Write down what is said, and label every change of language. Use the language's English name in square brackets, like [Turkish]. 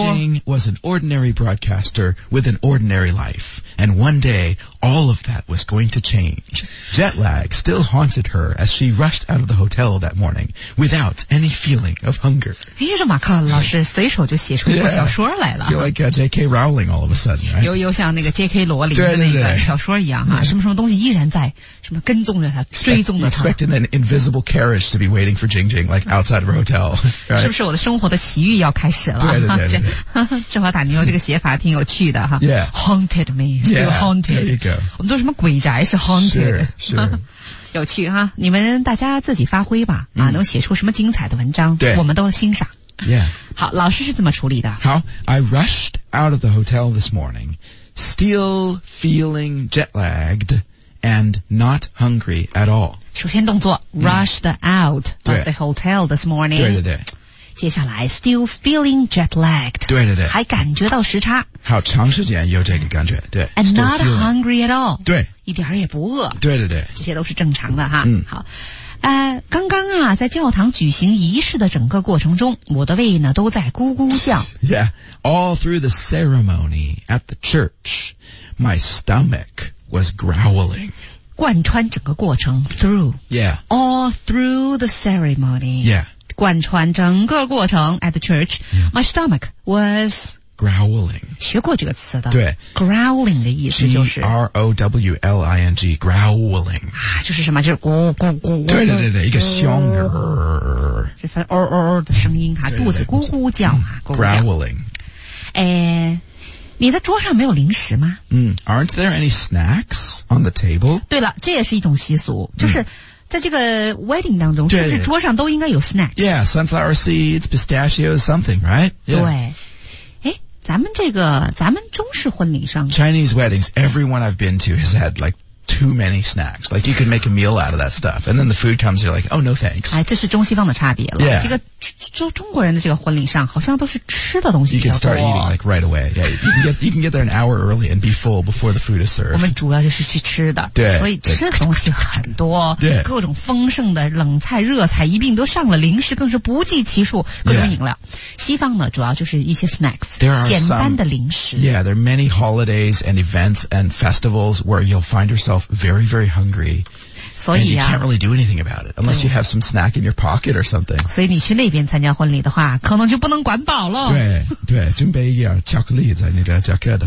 [English] Jing Jing was an ordinary broadcaster with an ordinary life and one day all of that was going to change jet lag still haunted her as she rushed out of the hotel that morning without any feeling of hunger [Chinese] 哎这马克老师随手就写出一个小说来了 [English] yeah, like J.K. Rowling all of a sudden、right? [Chinese] 又像那个 J.K. 罗琳的那个小说一样啊什么什么东西依然在什么跟踪着他追踪着他 [English] expecting an invisible carriage to be waiting for Jing Jing like outside of a hotel、right? [Chinese] 是不是我的生活的奇遇要开始了对对对对正好打牛这个写法挺有趣的哈 [English] yeah haunted me still haunted、 yeah. [Chinese] 我们做什么鬼宅是 haunted 是、 [English] sure, sure. [Chinese] 有趣哈你们大家自己发挥吧、嗯、啊，能写出什么精彩的文章对我们都欣赏 [English] yeah [Chinese] 好老师是怎么处理的 [English] 好 I rushed out of the hotel this morningStill feeling jet-lagged and not hungry at all. [Chinese] 首先动作 [English] rushed out of the hotel this morning. [Chinese] 对对对。接下来 [English] still feeling jet-lagged. [Chinese] 对对对。还感觉到时差。好长时间有这个感觉。对。 [English] And not hungry at all. [Chinese] 对。一点也不饿。对对对。这些都是正常的哈。嗯。好。刚刚啊在教堂举行仪式的整个过程中我的胃呢都在咕咕叫。 [English] Yeah, all through the ceremony at the church, my stomach was growling. [Chinese] 贯穿整个过程 through. [English] Yeah. All through the ceremony. Yeah. [Chinese] 贯穿整个过程 at the church,、 [English] yeah. my stomach was... Growling. [Chinese] 学过这个词的。对。 Growling 的意思就是。 [English] G-R-O-W-L-I-N-G, growling. [Chinese] 啊就是什么就是咕咕咕。对对对对一个凶的。这份哦哦的声音啊肚子咕咕叫啊。 [English] Growling. [Chinese] 你的桌上没有零食吗 [English] 嗯 ,aren't there any snacks on the table? [Chinese] 对了这也是一种习俗就是。在这个 wedding 当中是不是桌上都应该有 snacks? [English] Yeah, sunflower seeds, pistachios, something, right? [Chinese] 对。咱们中式婚礼上 [English] Chinese weddings, everyone I've been to has had like too many snacks. Like you can make a meal out of that stuff. And then the food comes, you're like, oh no thanks. [Chinese] 哎，这是中西方的差别了。 [English] Yeah. [Chinese] 这个中国人的这个婚礼上好像都是吃的东西比较 [English] 多。You can start eating like right away. Yeah, you can get there an hour early and be full before the food is served. [Chinese] 我们主要就是去吃的。对。所以吃的东西很多。对。各种丰盛的冷菜热菜一并都上了零食更是不计其数各种饮料。 [English] Yeah. [Chinese] 西方呢主要就是一些 snacks. [English] There are [Chinese] 简单的零食。 [English] Some, yeah, there are many holidays and events and festivals where you'll find yourself very, very hungry. So, and you can't really do anything about it unless you have some snack in your pocket or something. So, if you go to that side for the wedding, you probably can't be filled. Right, right. Prepare some chocolate in your jacket. You have